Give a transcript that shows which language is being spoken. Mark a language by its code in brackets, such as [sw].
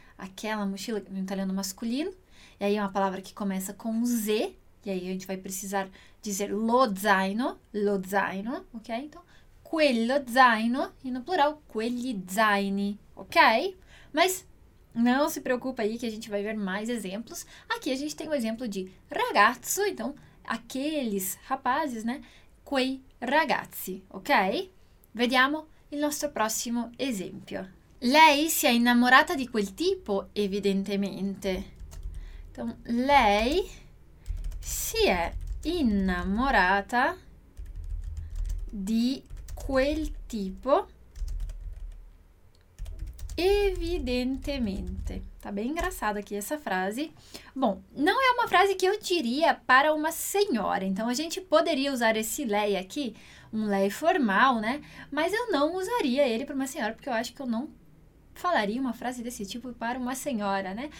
[pt] Aquela mochila no italiano masculino, e aí é uma palavra que começa com Z, e aí a gente vai precisar dizer [it] lo zaino, [pt] ok? Então, [it] quello zaino [pt] e no plural [it] quegli zaini, ok? [pt] Mas não se preocupa aí que a gente vai ver mais exemplos. Aqui a gente tem o um exemplo de ragazzo, então aqueles rapazes, né? [it] Quei ragazzi, ok? Vediamo il nostro prossimo esempio. Lei si è innamorata di quel tipo, evidentemente. Então, lei si è innamorata di quel tipo, evidentemente. [pt] Tá bem engraçada aqui essa frase. Bom, não é uma frase que eu diria para uma senhora, então a gente poderia usar esse lei aqui, um lei formal, né? Mas eu não usaria ele para uma senhora, porque eu acho que eu não falaria uma frase desse tipo para uma senhora, né?